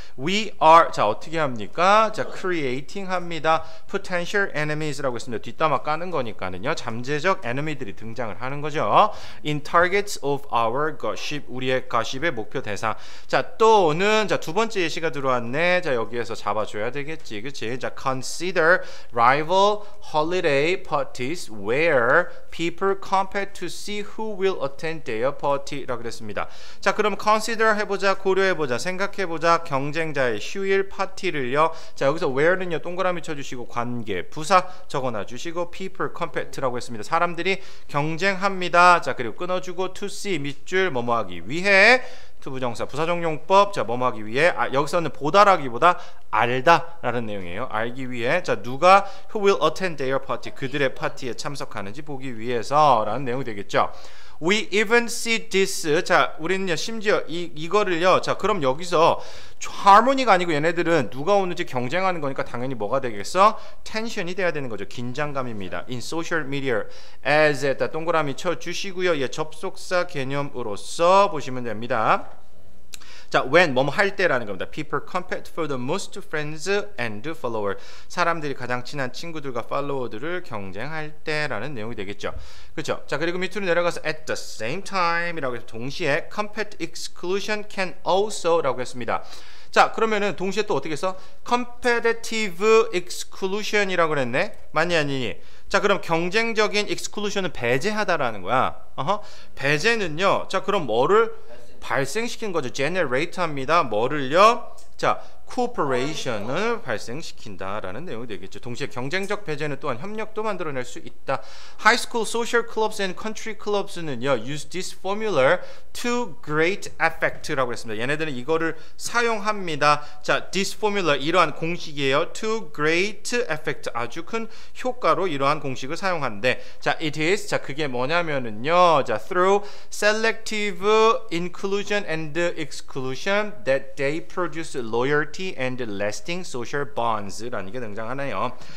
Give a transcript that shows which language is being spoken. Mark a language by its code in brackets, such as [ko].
[en] we are [ko] 자 어떻게 합니까? 자 creating 합니다. [en] potential enemies [ko] 라고 했습니다. 뒷담화 까는 거니까는요 잠재적 enemy들이 등장을 하는 거죠. [en] in targets of our gossip [ko] 우리의 gossip의 목표 대상. 자, 또는 자, 두 번째 예시가 들어왔네. 자, 여기에서 잡아줘야 되겠지. 그치? [en] 자, consider rival holiday parties where people compete to see who will attend their party [ko] 라고 그랬습니다. 자, 그럼 consider 해보자, 고려해보자, 생각해보자, 경쟁자의 휴일 파티를요. 자, 여기서 where는요, 동그라미 쳐주시고, 관계, 부사 적어놔주시고, people compete라고 했습니다. 사람들이 경쟁합니다. 자, 그리고 끊어주고, to see 밑줄 뭐뭐하기 위해, 부정사 부사정용법 자 뭐하기 위해 아, 여기서는 보다라기보다 알다라는 내용이에요. 알기 위해 자 누가 [en] who will attend their party [ko] 그들의 파티에 참석하는지 보기 위해서라는 내용이 되겠죠. [en] We even see this [ko] 자 우리는요 심지어 이거를요 자 그럼 여기서 하모니가 아니고 얘네들은 누가 오는지 경쟁하는 거니까 당연히 뭐가 되겠어? 텐션이 돼야 되는 거죠. 긴장감입니다. [en] In social media as [ko] 에다 동그라미 쳐주시고요. 예, 접속사 개념으로서 보시면 됩니다. 자, when 뭐뭐 할 때라는 겁니다. [en] People compete for the most friends and followers. [ko] 사람들이 가장 친한 친구들과 팔로워들을 경쟁할 때라는 내용이 되겠죠. 그렇죠? 자, 그리고 밑으로 내려가서 [en] at the same time [ko] 이라고 해서 동시에 [en] compete exclusion can also [ko] 라고 했습니다. 자, 그러면은 동시에 또 어떻게 써? Competitive exclusion이라고 그랬네. 맞니 아니니? 자, 그럼 경쟁적인 exclusion은 배제하다라는 거야. 어허. 배제는요. 자, 그럼 뭐를 발생시킨 거죠? Generate 합니다. 뭐를요? 자, cooperation을 발생시킨다라는 내용이 되겠죠. 동시에 경쟁적 배제는 또한 협력도 만들어낼 수 있다. [en] High school social clubs and country clubs는요, use this formula to great effect [ko] 라고 했습니다. 얘네들은 이거를 사용합니다. 자, [en] this formula [ko] 이러한 공식이에요. [en] To great effect [ko] 아주 큰 효과로 이러한 공식을 사용한대. [en] 자, it is [ko] 자 그게 뭐냐면은요, [en] 자 through selective inclusion and exclusion that they produce loyalty and lasting social bonds라는 게 등장하네요.